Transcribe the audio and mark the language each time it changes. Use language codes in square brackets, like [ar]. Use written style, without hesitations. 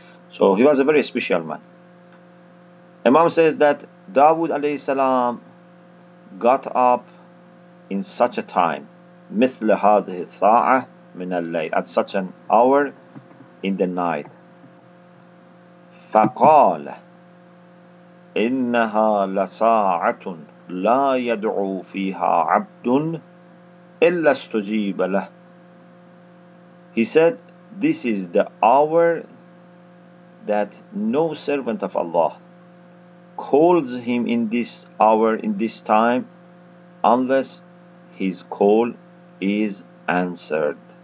[en] So he was a very special man. Imam says that Dawood alayhi salam got up in such a time, [ar] مثل هذه الساعة من الليل, [en] at such an hour in the night. [ar] فقال إنها لساعة لا يدعو فيها عبد إلا استجيب له. [en] He said, this is the hour that no servant of Allah calls him in this hour, in this time, unless his call is answered.